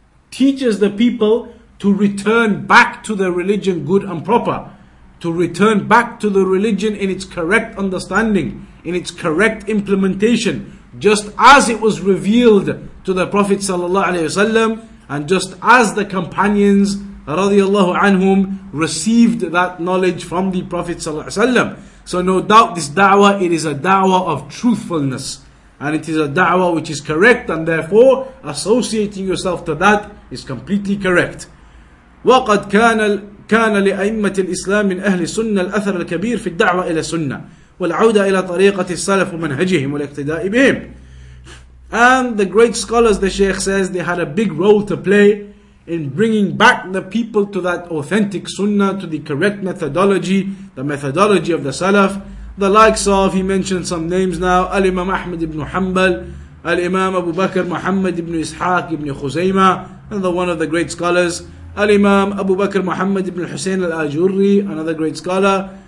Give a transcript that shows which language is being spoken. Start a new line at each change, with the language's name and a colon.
English: teaches the people to return back to their religion good and proper, to return back to the religion in its correct understanding, in its correct implementation, just as it was revealed to the Prophet ﷺ, and just as the companions radiallahu anhum received that knowledge from the Prophet ﷺ. So no doubt this da'wah, it is a da'wah of truthfulness, and it is a da'wah which is correct, and therefore associating yourself to that is completely correct.
Arabic: وَقَدْ كان لأئمة الإسلام من أهل السنة الأثر الكبير في الدعوة إلى السنة والعودة إلى طريقة السلف ومنهجهم والاقتداء بهم.
English: And the great scholars, the Shaykh says, they had a big role to play in bringing back the people to that authentic Sunnah, to the correct methodology, the methodology of the Salaf. The likes of, he mentioned some names now, Al-Imam Ahmad ibn Hanbal, Al-Imam Abu Bakr Muhammad ibn Ishaq ibn Khuzaymah, and one of the great scholars, Al-Imam Abu Bakr Muhammad ibn Hussein al-Ajurri, another great scholar.